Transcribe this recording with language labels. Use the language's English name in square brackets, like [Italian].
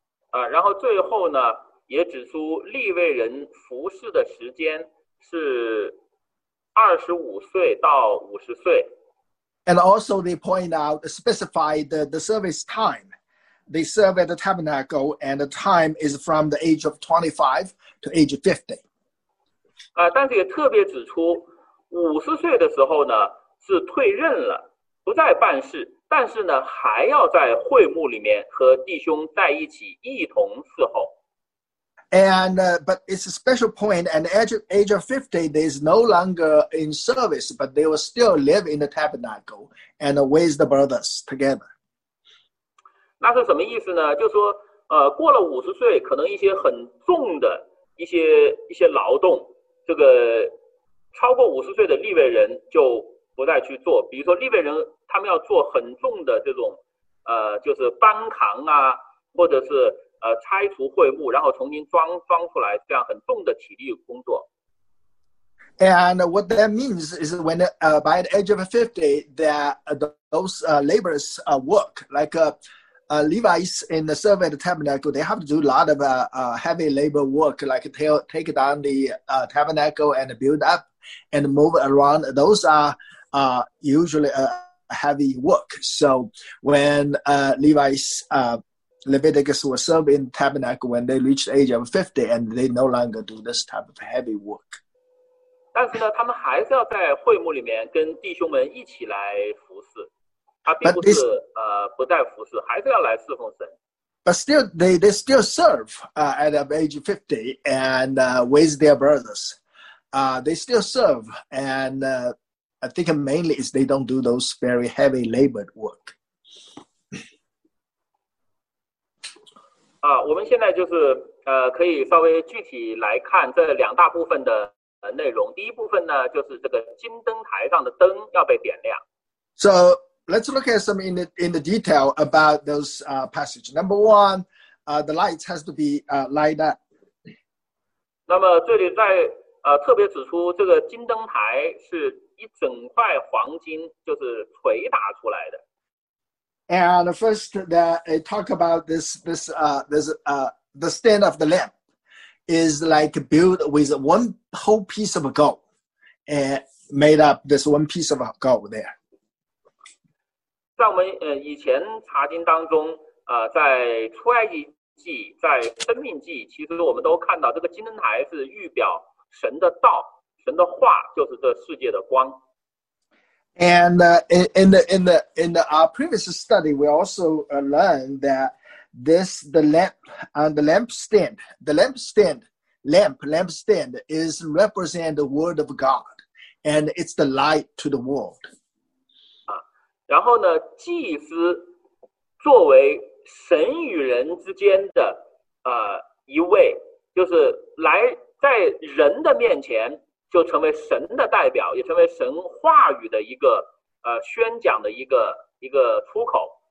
[Chinese] 啊，然后最后呢，也指出利未人服侍的时间是25岁到50岁。 [English] And also they point out, specify the service time. They serve at the tabernacle and the time is from the age of 25 to age 50. [Chinese] 啊，但是也特别指出50岁的时候呢是退任了，不再办事，但是呢还要在会幕里面和弟兄在一起一同伺候。 [English] And but it's a special point, and age of 50, they is no longer in service, but they will still live in the tabernacle and with the brothers together. [Chinese] 那是什么意思呢？就说过了五十岁，可能一些很重的一些劳动，这个超过五十岁的利未人就不再去做。比如说利未人他们要做很重的这种就是搬扛啊，或者是拆除会幕，然后重新装出来，这样很重的体力工作。 [English] And what that means is when by the age of 50, that those laborers work like Levites in the survey of the tabernacle, they have to do a lot of heavy labor work, like take down the tabernacle and build up and move around. Those are usually heavy work. So when Levites Leviticus will serve in tabernacle when they reach the age of 50 and they no longer do this type of heavy work. [Chinese] 但是呢他们还是要在会幕里面跟弟兄们一起来服侍。他并不是 [English] this, [Chinese] 不再服侍，还是要来侍奉神。 [English] But still, they still serve at the age of 50 and with their brothers. They still serve and I think mainly is they don't do those very heavy labored work. [Chinese] 我们现在就是可以稍微具体来看这两大部分的内容。第一部分呢就是这个金灯台上的灯要被点亮。 [English] So, let's look at some in the detail about those passage. Number one, the lights has to be light up. [Chinese] 那么这里在特别指出这个金灯台是一整块黄金就是捶打出来的。 [English] And first, that it talk about the stand of the lamp is like built with one whole piece of gold, and made up this one piece of gold there. [Chinese] 在我们以前查经当中，在出埃及记，在生命记，其实我们都看到这个金灯台是预表神的道，神的话就是这世界的光。 [English] And in the our previous study, we also learned that the lampstand is represent the word of God, and it's the light to the world. [Chinese] 然后呢，祭司作为神与人之间的一位，就是来在人的面前。就成为神的代表，也成为神话语的一个宣讲的一个出口。